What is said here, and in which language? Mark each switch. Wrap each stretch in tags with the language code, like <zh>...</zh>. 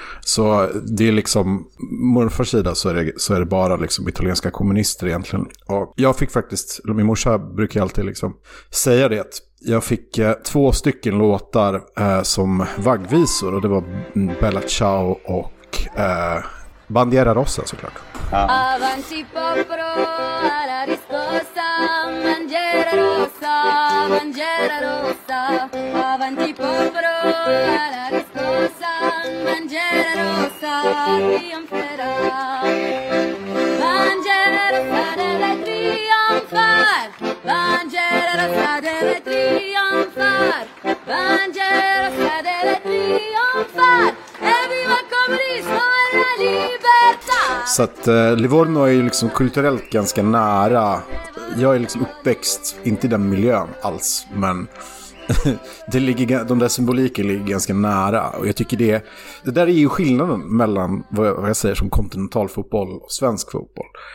<sv>Så det är liksom morfars sida, så är det bara liksom italienska kommunister egentligen. Och jag fick faktiskt, min morsa brukar alltid liksom säga det, jag fick två stycken låtar som vaggvisor, och det var Bella Ciao och Bandiera Rossa såklart.</sv> <it>Avanti popolo alla risposta, bandiera rossa, bandiera rossa. Avanti popolo alla risposta, bandiera rossa, trionferà. Bandiera rossa deve trionfar, bandiera rossa deve trionfar, bandiera rossa deve trionfar. Evviva comunismo e la libertà.</it> <sv>Så att Livorno är ju liksom kulturellt ganska nära. Jag är liksom uppväxt, inte i den miljön alls, men det ligger, de där symboliken ligger ganska nära. Och jag tycker det där är ju skillnaden mellan vad jag säger som kontinentalfotboll och svensk fotboll.</sv>